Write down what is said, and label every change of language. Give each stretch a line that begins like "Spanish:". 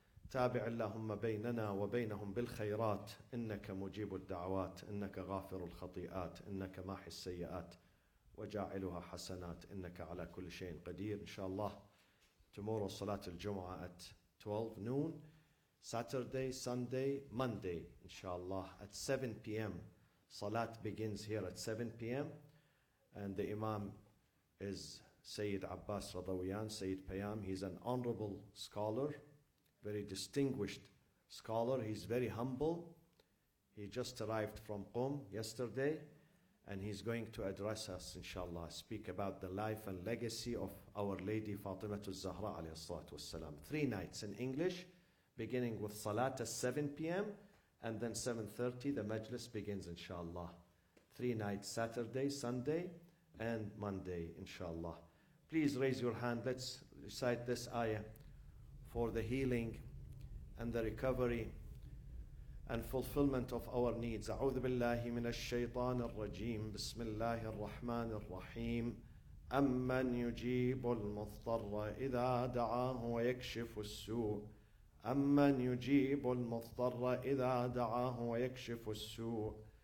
Arabic: تابع اللهم بيننا وبينهم بالخيرات. إنك مجيب الدعوات. إنك غافر الخطيئات. إنك ماحي السيئات وجاعلها حسنات. إنك على كل شيء قدير. إن شاء الله
English: tomorrow
Arabic: صلاة الجمعة
English: at 12 noon. Saturday, Sunday, Monday, inshallah, at 7 p.m. Salat begins here at 7 p.m. And the Imam is Sayyid Abbas Radawiyan, Sayyid Payam. He's an honorable scholar, very distinguished scholar. He's very humble. He just arrived from Qum yesterday, and he's going to address us, inshallah, speak about the life and legacy of Our Lady Fatima al-Zahra, alayhi salatu wassalam. 3 nights in English, beginning with Salat at 7 p.m. and then 7:30, the majlis begins, inshallah. 3 nights, Saturday, Sunday, and Monday, inshallah. Please raise your hand. Let's recite this ayah for the healing and the recovery and fulfillment of our needs.
Arabic: أعوذ بالله من الشيطان الرجيم. بسم الله الرحمن الرحيم. أمن يجيب المضطر إذا دعاه ويكشف السوء. أمن يجيب المضطر إذا دعاه ويكشف السوء.